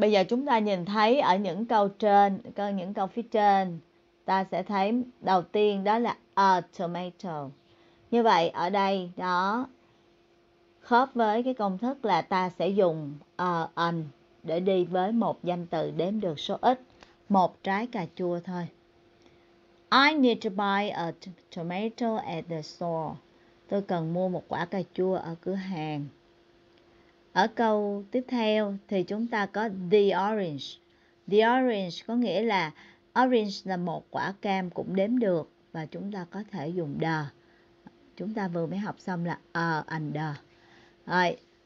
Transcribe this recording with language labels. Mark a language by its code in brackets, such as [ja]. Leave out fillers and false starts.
[vi] Bây giờ chúng ta nhìn thấy ở những câu trên, những câu phía trên, ta sẽ thấy đầu tiên đó là a tomato. Như vậy ở đây đó khớp với cái công thức là ta sẽ dùng an để đi với một danh từ đếm được số ít, một trái cà chua thôi. [en] I need to buy a tomato at the store. [vi] Tôi cần mua một quả cà chua ở cửa hàng. Ở câu tiếp theo thì chúng ta có the orange. The orange có nghĩa là orange là một quả cam cũng đếm được. Và chúng ta có thể dùng the. Chúng ta vừa mới học xong là a and the. Rồi.